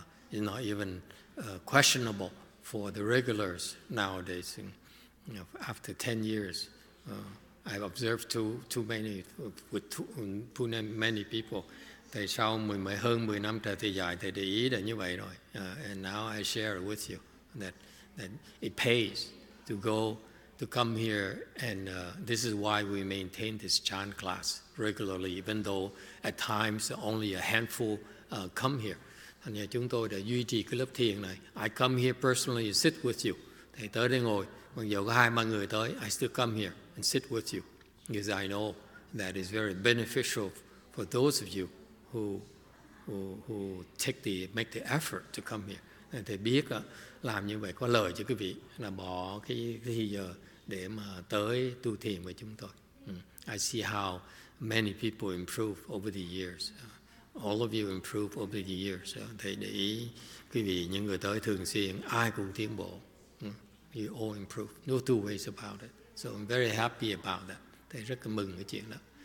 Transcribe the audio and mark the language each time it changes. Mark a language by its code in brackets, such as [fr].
[en] It's not even questionable for the regulars nowadays. You know, after 10 years, I've observed too many people. [vi] Thì sau hơn 10 năm trời thì dài thì để ý là như vậy rồi. [en] And now I share with you that it pays to go, to come here, and this is why we maintain this chant class regularly, even though at times only a handful come here. [vi] Thành ra chúng tôi đã duy trì cái lớp thiền này. [en] I come here personally to sit with you. [vi] Thầy tới đây ngồi, mặc dù có 2-3 người tới, [en] I still come here and sit with you. Because I know that is very beneficial for those of you who take the make the effort to come here. [vi] Thầy biết làm như vậy có lời cho quý vị là bỏ cái giờ để mà tới tu thiền với chúng tôi. [en] I see how many people improve over the years. All of you improve over the years. [vi] Thầy để ý quý vị những người tới thường xuyên ai cũng tiến bộ. [en] You all improve. No two ways about it. So I'm very happy about that. [vi] Thầy rất là mừng cái chuyện đó.